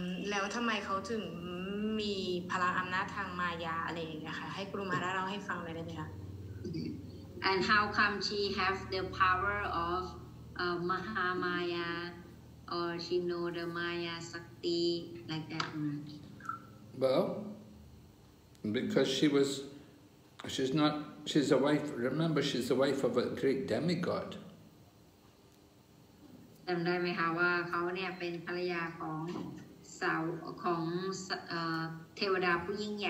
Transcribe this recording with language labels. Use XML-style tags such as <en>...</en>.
<th>แล้วทำไมเขาถึงมีพลังอำนาจทางมายาอะไรอย่างเงี้ยค่ะให้ครูมาเล่าให้ฟังหน่อยได้ไหมคะ</th> <en>And how come she have the power of Mahamaya or she know the Maya Sakti like that? Well, because she was, she's a wife, remember she's the wife of a great demigod.</en> <th>จำได้ไหมคะว่าเขาเนี่ยเป็นภรรยาของสาวของเทวดาผู้ยิ่งใหญ</th>